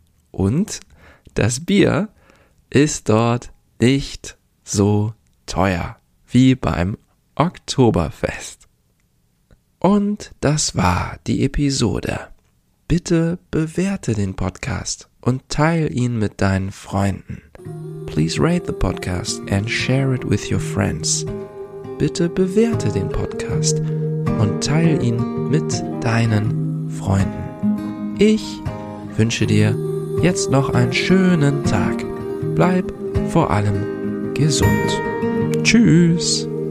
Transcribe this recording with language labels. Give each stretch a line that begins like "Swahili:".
German: Und das Bier ist dort nicht so teuer wie beim Oktoberfest. Und das war die Episode. Bitte bewerte den Podcast und teile ihn mit deinen Freunden.
English: Please rate the podcast and share it with your friends.
German: Bitte bewerte den Podcast und teile ihn mit deinen Freunden. Ich wünsche dir jetzt noch einen schönen Tag. Bleib vor allem gesund. Tschüss.